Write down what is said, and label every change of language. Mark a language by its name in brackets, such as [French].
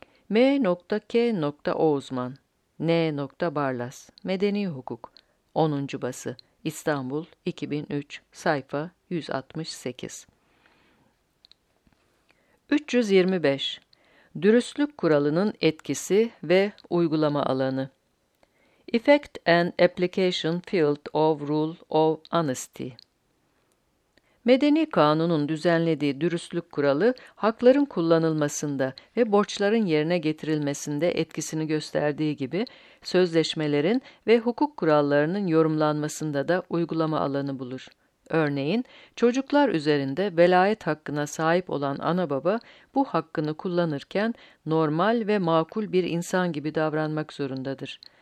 [Turkish] M. K. Oğuzman, N. Barlas, Medeni Hukuk, 10. Bası, İstanbul, 2003, sayfa 168. 325. Dürüstlük kuralının etkisi ve uygulama alanı. [English] Effect and application field of rule of honesty. [Turkish] Medeni kanunun düzenlediği dürüstlük kuralı, hakların kullanılmasında ve borçların yerine getirilmesinde etkisini gösterdiği gibi, sözleşmelerin ve hukuk kurallarının yorumlanmasında da uygulama alanı bulur. Örneğin, çocuklar üzerinde velayet hakkına sahip olan ana baba, bu hakkını kullanırken normal ve makul bir insan gibi davranmak zorundadır.